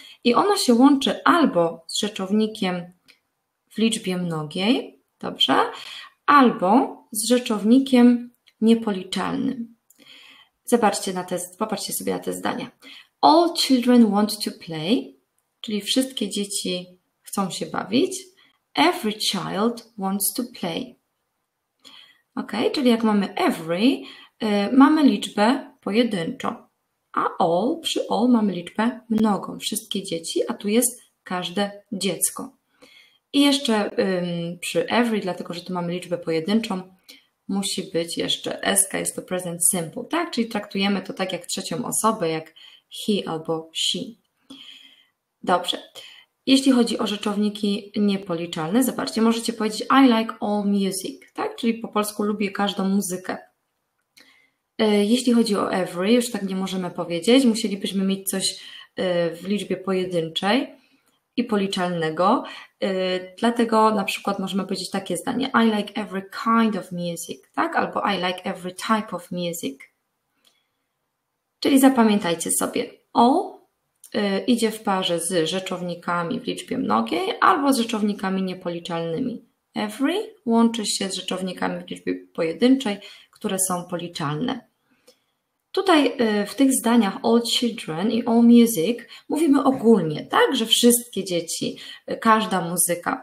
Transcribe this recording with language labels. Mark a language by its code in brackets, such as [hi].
[pl] I ono się łączy albo z rzeczownikiem w liczbie mnogiej, dobrze? Albo z rzeczownikiem niepoliczalnym. Zobaczcie na te, popatrzcie sobie na te zdania. [en] All children want to play, [pl] czyli wszystkie dzieci chcą się bawić. [en] Every child wants to play. [pl] Ok, czyli jak mamy every, mamy liczbę pojedynczą, a all, przy all mamy liczbę mnogą, wszystkie dzieci, a tu jest każde dziecko. I jeszcze przy every, dlatego że tu mamy liczbę pojedynczą, musi być jeszcze SK, jest to present simple, tak? Czyli traktujemy to tak jak trzecią osobę, jak he albo she. Dobrze. Jeśli chodzi o rzeczowniki niepoliczalne, zobaczcie, możecie powiedzieć [en] I like all music, [pl] tak? Czyli po polsku lubię każdą muzykę. Jeśli chodzi o every, już tak nie możemy powiedzieć, musielibyśmy mieć coś w liczbie pojedynczej i policzalnego, dlatego na przykład możemy powiedzieć takie zdanie [en] I like every kind of music, [pl] tak? Albo [en] I like every type of music. [pl] Czyli zapamiętajcie sobie, all idzie w parze z rzeczownikami w liczbie mnogiej albo z rzeczownikami niepoliczalnymi. Every łączy się z rzeczownikami w liczbie pojedynczej, które są policzalne. Tutaj w tych zdaniach all children i all music mówimy ogólnie, tak, że wszystkie dzieci, każda muzyka.